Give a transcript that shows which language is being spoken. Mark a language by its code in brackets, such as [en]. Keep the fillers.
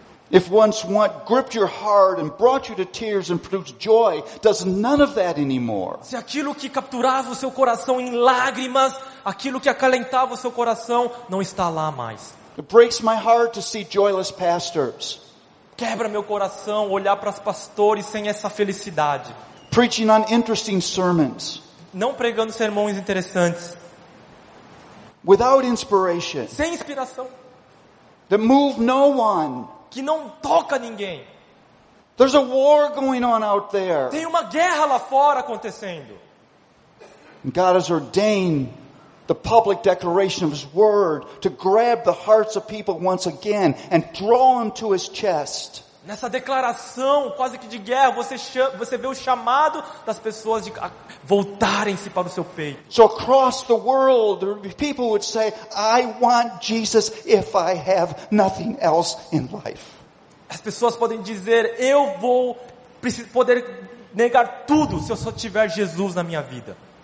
[en] If once what gripped your heart and brought you to tears and produced joy does none of that anymore. [pt] Se aquilo que capturava o seu coração em lágrimas, aquilo que acalentava o seu coração não está lá mais. [en] It breaks my heart to see joyless pastors. [pt] Quebra meu coração olhar para os pastores sem essa felicidade. [en] preaching uninteresting sermons. [pt] Não pregando sermões interessantes. [en] Without inspiration. [pt] Sem inspiração. [en] That move no one. [pt] Que não toca ninguém. [en] There's a war going on out there. [pt] Tem uma guerra lá fora acontecendo. [en] And God has ordained the public declaration of his word to grab the hearts of people once again and draw them to his chest. [pt] nessa declaração quase que de guerra, você, chama, você vê o chamado das pessoas de voltarem-se para o seu peito. [en] So across the world, people would say, I want Jesus if I have nothing else in life. [pt] As pessoas podem dizer, eu vou poder negar tudo se eu só tiver Jesus na minha vida.